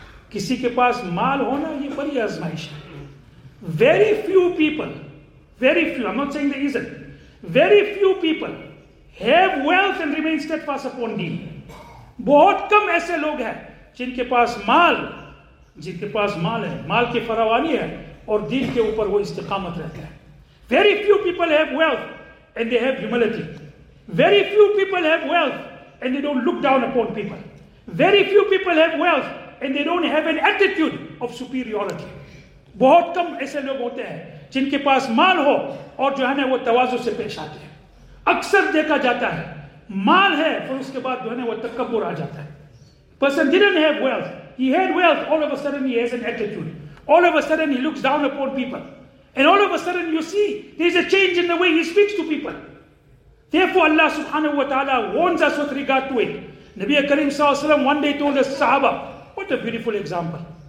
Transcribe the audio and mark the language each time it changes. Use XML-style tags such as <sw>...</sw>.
<hi>Kisi ke paas maal hona, ye badi azmaish hai.</hi> <en>Very few people, I'm not saying there isn't, very few people Have wealth and remain steadfast upon deen.</en> <hi>बहुत कम ऐसे लोग हैं जिनके पास माल है, माल की फरावानी है और दीन के ऊपर वो इस्तेकामत रहते हैं.</hi> <en>Very few people have wealth and they have humility. Very few people have wealth and they don't look down upon people. Very few people have wealth and they don't have an attitude of superiority.</en> <hi>बहुत कम ऐसे लोग होते हैं जिनके पास माल हो और जो है ना वो तवाज़ु से पेश आते हैं. अक्सर देखा जाता है माल है फिर उसके बाद जो है ना वो तकब्बुर आ जाता है.</hi> <en>Person didn't have wealth. He had wealth. All of a sudden he has an attitude. All of a sudden he looks down upon people. And all of a sudden you see there's a change in the way he speaks to people. Therefore Allah subhanahu wa ta'ala warns us with regard to it. Nabi Kareem sallallahu alayhi wa sallam one day told us, Sahaba, what a beautiful example.</en>